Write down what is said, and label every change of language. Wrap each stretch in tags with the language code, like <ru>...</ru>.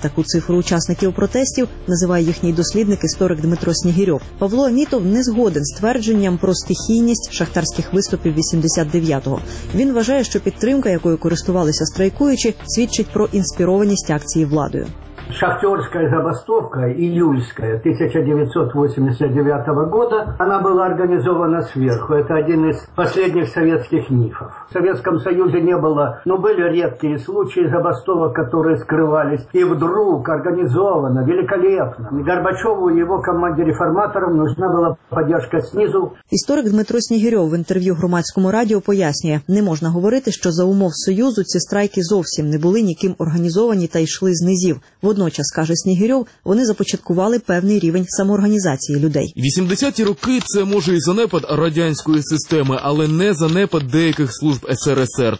<uk>Таку цифру учасників протестів називає їхній дослідник історик Дмитро Снігирьов. Павло Амітов не згоден з твердженням про стихійність шахтарських виступів 89-го. Він вважає, що підтримка, якою користувалися страйкуючі, свідчить про інспірованість акції владою.</uk> <ru>Шахтерская забастовка, июльская, 1989 года, она была организована сверху. Это один из последних советских мифов. В Советском Союзе не было, но были редкие случаи забастовок, которые скрывались. И вдруг, организовано, великолепно. Горбачеву и его команде реформаторам нужна была поддержка снизу.</ru> <uk>Историк Дмитро Снігирьов</uk> <ru>в интервью</ru> <uk>громадському радио пояснює, не можна говорити, що за умов Союзу ці страйки зовсім не були ніким організовані та йшли з низів. Водночас, каже Снігирьов, вони започаткували певний рівень самоорганізації людей. 80-ті роки – це, може, і занепад радянської системи, але не занепад деяких служб СРСР.</uk>